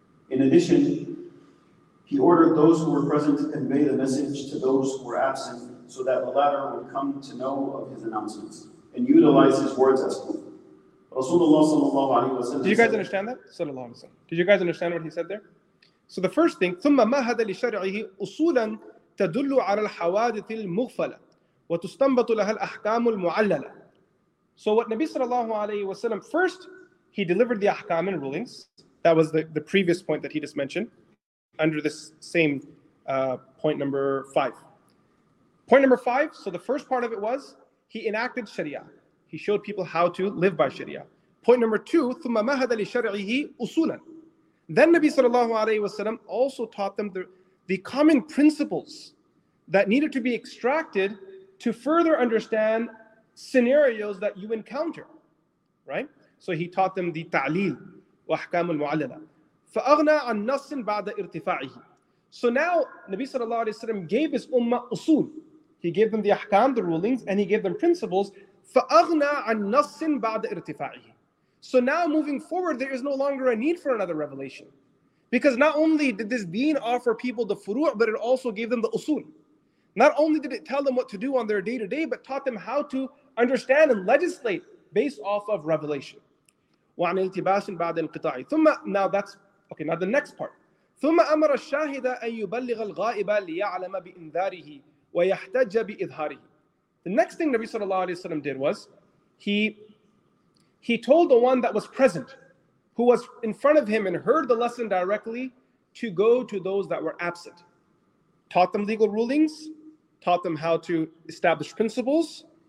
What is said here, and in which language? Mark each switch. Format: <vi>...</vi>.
<en>In addition, he ordered those who were present to convey the message to those who were absent so that the latter would come to know of his announcements and utilize his words as proof. Rasulullah sallallahu alayhi wa sallam. Did you guys understand that? Sallallahu alayhi wa sallam. Did you guys understand what he said there? So the first thing,</en> <ar>ثُمَّ مَا هَدَ لِشَرْعِهِ أُصُولًا تَدُلُّ عَلَى الْحَوَادِثِ الْمُغْفَلَةِ وَتُسْتَنْبَطُ لَهَا الْأَحْكَامُ الْمُعَلَّلَةِ.</ar> <en>So what Nabi sallallahu alayhi wa sallam, first, he delivered the ahkam and rulings. That was the previous point that he just mentioned under this same point number five. Point number five, so the first part of it was he enacted sharia. He showed people how to live by sharia. Point number two,</en> <ar>ثُمَّ مَهَدَ لِشَرْعِهِ أُصُولًا.</ar> <en>Then Nabi sallallahu alayhi wa sallam also taught them the common principles that needed to be extracted to further understand scenarios that you encounter, right? So he taught them the ta'lil.</en> <ar>وَأَحْكَامُ الْمُعَلَّلَةِ فَأَغْنَى عَنْ نَصٍ بَعْدَ إِرْتِفَاعِهِ.</ar> <en>So now, Nabi sallallahu alayhi wa sallam gave his ummah usul. He gave them the ahkam, the rulings, and he gave them principles.</en> <ar>فَأَغْنَى عَنْ نَصٍ بَعْدَ إِرْتِفَاعِهِ.</ar> <en>So now, moving forward, there is no longer a need for another revelation. Because not only did this deen offer people the furu', but it also gave them the usul. Not only did it tell them what to do on their day-to-day, but taught them how to understand and legislate based off of revelation.</en> <ar>وعن التباس بعد انقطاع. ثم,</ar> <en>now that's, okay, now the next part.</en> <ar>ثم أمر الشاهد أن يبلغ الغائب ليعلم بإنذاره ويحتج بإظهاره.</ar> <en>The next thing Nabi sallallahu alayhi wa sallam did was, he told the one that was present, who was in front of him and heard the lesson directly, to go to those that were absent. Taught them legal rulings, taught them how to establish principles.</en>